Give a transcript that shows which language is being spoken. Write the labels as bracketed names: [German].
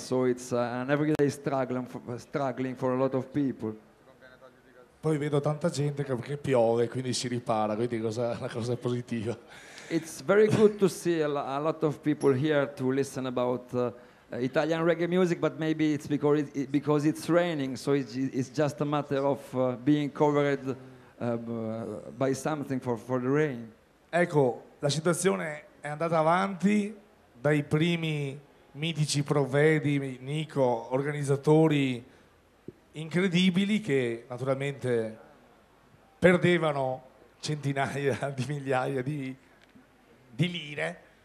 [English] So it's an everyday struggling for a lot of people. [Italian] Poi vedo tanta gente che piove, quindi si ripara, quindi cosa, la cosa positiva. [English] It's very good to see a lot of people here to listen about Italian reggae music, but maybe it's because it's raining, so it's just a matter of being covered by something for the rain. [Italian] Ecco, la situazione è andata avanti dai primi mitici provvedi, Nico, organizzatori incredibili che naturalmente perdevano centinaia di migliaia di lire.